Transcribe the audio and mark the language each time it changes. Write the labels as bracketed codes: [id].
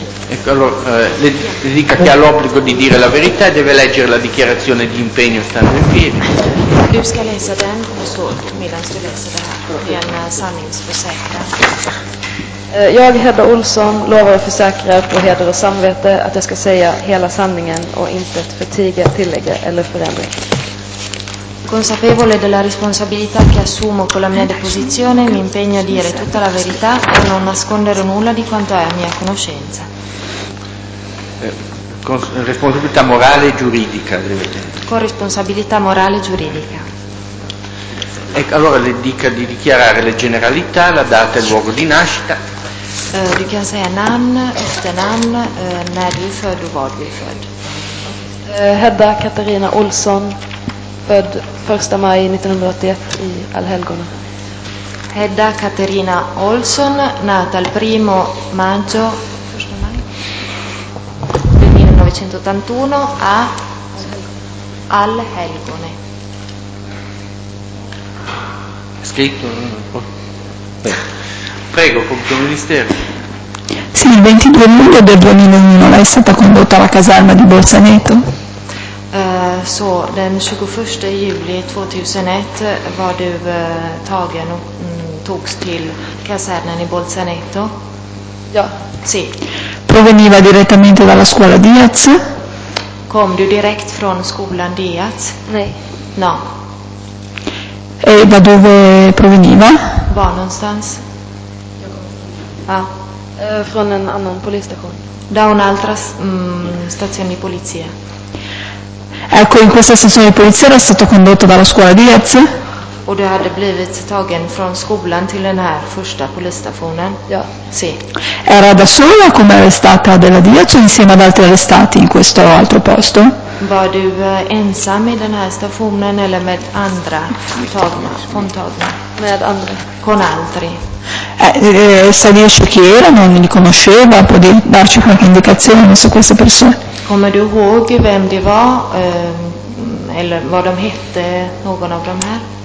[it] Ecco, allora, le dica che ha l'obbligo di dire la verità e deve leggere la dichiarazione di impegno stando in piedi. [sv] Du ska läsa den, come stolt, medan du läser det här. Det är en sanningsförsäkran. Jag, Hedda Olsson, lovar och försäkrar på heder och samvete att jag ska säga hela sanningen och inte förtiga, tillägga eller förändra. [it] Consapevole della responsabilità che assumo con la mia deposizione, mi impegno a dire tutta la verità e non nascondere nulla di quanto è a mia conoscenza. Responsabilità morale e giuridica. Con responsabilità morale e giuridica. Ecco, allora le dica di dichiarare le generalità, la data e il luogo di nascita. [sv] Du kan säga namn, efternamn, när du är född och var du är född. Hedda Katarina Olsson, född 1 maj 1981 i Allhelgona. [it] Hedda Caterina Olsson, nata il 1 maggio 1981 a Allhelgona. Scritto? Prego, compito ministero. Sì, il 22 luglio del 2001 lei è stata condotta alla caserma di Bolzaneto. [sv] Så den 21 juli 2001 var du tagen och togs till kasernen i Bolzaneto. Ja. [it] Sì. Proveniva direttamente dalla scuola Diaz. [sv] Kom du direkt från skolan Diaz? Nej. [it] No. E da dove proveniva? [sv] Var någonstans? Ah. Från en annan polisstation. [it] Da un'altra stazione di polizia. Ecco, in questa stazione di polizia era stato condotto dalla scuola di Diaz. [sv] O du hade blivit tagen från skolan till den här första polisstationen? Ja. [it] Sì. Era da sola come arrestata della Diaz o insieme ad altri arrestati in questo altro posto? [sv] Var du ensam i den här stationen eller med andra tagna, fondtagna? Med andra. [it] Con altri. Sa dirci chi era, non li conosceva, può darci qualche indicazione su queste persone? [sv] Kommer du ihåg vem det var eller vad de hette, någon av de här?